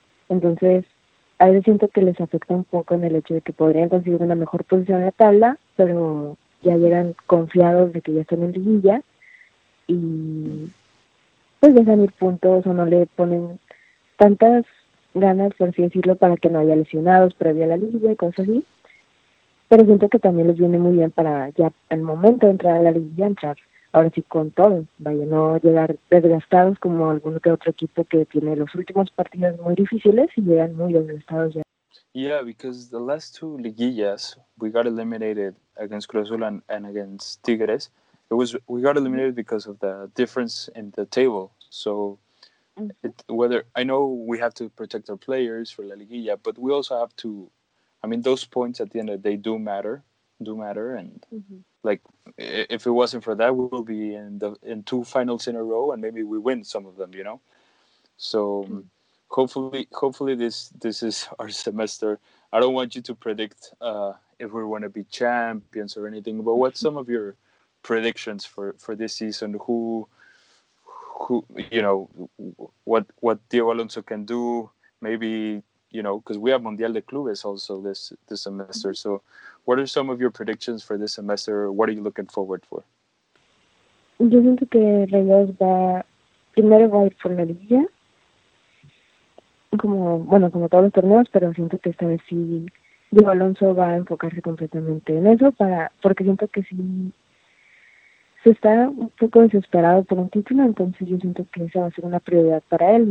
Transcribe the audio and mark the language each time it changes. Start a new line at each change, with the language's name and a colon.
Spanish: Entonces, a veces siento que les afecta un poco en el hecho de que podrían conseguir una mejor posición en la tabla, pero ya llegan confiados de que ya están en Liguilla y pues dejan ir puntos o no le ponen tantas ganas, por así decirlo, para que no haya lesionados previo a la Liguilla y cosas así. Pero siento que también les viene muy bien para ya al momento de entrar a la Liguilla, entrar ahora sí con todo, vaya, no llegar desgastados como algún que otro equipo que tiene los últimos partidos muy difíciles y llegan muy desgastados ya.
English: Yeah, because the last two Liguillas, we got eliminated against Cruz Azul and against Tigres. We got eliminated because of the difference in the table. So, I know we have to protect our players for La Liguilla, but we also have to, I mean, those points at the end of the day do matter, and like, if it wasn't for that, we will be in two finals in a row, and maybe we win some of them, you know. So hopefully this is our semester. I don't want you to predict if we want to be champions or anything, but what's some of your predictions for this season? Who you know, what Diego Alonso can do, maybe, you know, because we have Mundial de Clubes also this semester. So what are some of your predictions for this semester? What are you looking forward for?
Spanish: Yo siento que Rayados va primero va a ir por la Liga. como todos los torneos, pero siento que esta vez sí, digo, Alonso va a enfocarse completamente en eso, porque siento que sí se está un poco desesperado por un título, entonces yo siento que esa va a ser una prioridad para él.